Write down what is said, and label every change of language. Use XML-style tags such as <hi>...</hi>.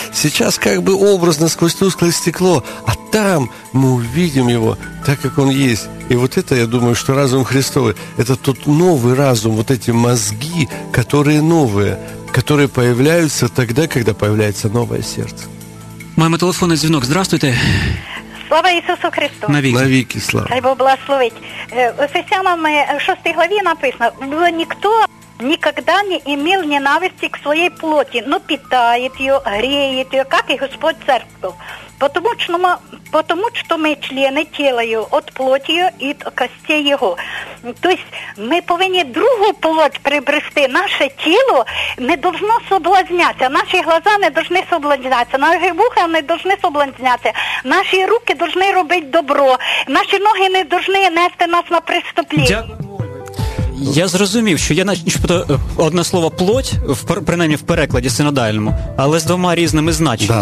<ru>Сейчас как бы образно сквозь тусклое стекло, а там мы увидим Его так, как Он есть. И вот это, я думаю, что разум Христовый, это тот новый разум, вот эти мозги, которые новые, которые появляются тогда, когда появляется новое сердце. Мама, телефонный звонок. Здравствуйте.</ru> <uk>Слава Ісусу Христу! Навіки, слава! Хай Бог благословить! Ефесянам 6 главі написано, що ніхто ніколи не імів ненависті к своїй плоті, но питає її, гріє її, як і Господь церкву.</uk> <ru>Потому что мы члены тела Его, от плоти Его и от костей Его. То есть мы должны другую плоть приобрести. Наше тело не должно соблазняться. Наши глаза не должны соблазняться. Наши вуха не должны соблазняться. Наши руки должны делать добро. Наши ноги не должны нести нас на преступление.</ru> <uk>Я зрозумів, що я начебто одне слово «плоть», принаймні в перекладі синодальному, але з двома різними значеннями.</uk>